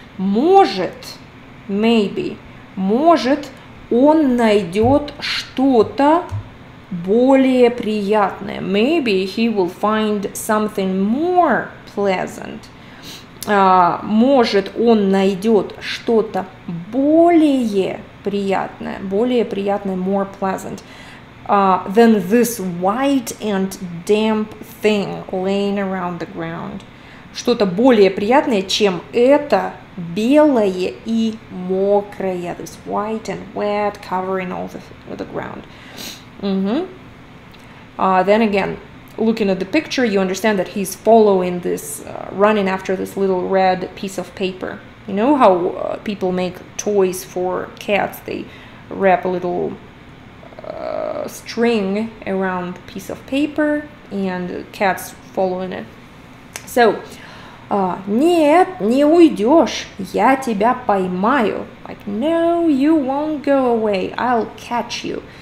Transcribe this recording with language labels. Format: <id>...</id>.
<ru>Может, maybe, может, он найдет что-то более приятное.</ru> <en>Maybe he will find something more pleasant.</en> <ru>Может, он найдет что-то более приятное. Более приятное,</ru> <en>more pleasant. Than this white and damp thing laying around the ground.</en> <ru>Что-то более приятное, чем это белое и мокрое.</ru> <en>This white and wet covering all the ground. Mm-hmm. Then again, looking at the picture, you understand that he's following this, running after this little red piece of paper. You know how people make toys for cats? They wrap a little string around the piece of paper and the cat's following it.</en> <ru>So, нет, не уйдешь, я тебя поймаю.</ru> <en>Like, no, you won't go away, I'll catch you.</en>